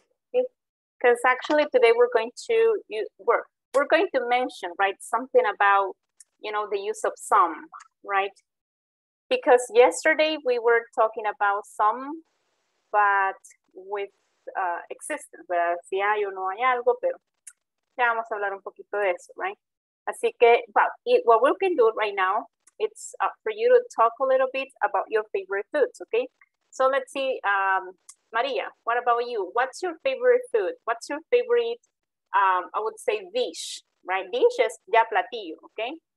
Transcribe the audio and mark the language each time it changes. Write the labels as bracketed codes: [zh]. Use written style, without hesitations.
[en] Because actually today we're going to, we're going to mention, right, something about, you know, the use of some, right? Because yesterday we were talking about some, but with existence, [es] ¿verdad? Si hay o no hay algo, pero ya vamos a hablar un poquito de eso, [en] right? [es] Así que, [en] but what we can do right now, it's for you to talk a little bit about your favorite foods, okay? So let's see, Maria, what about you? What's your favorite food? What's your favorite, I would say dish, right? Dish is ya platillo, okay?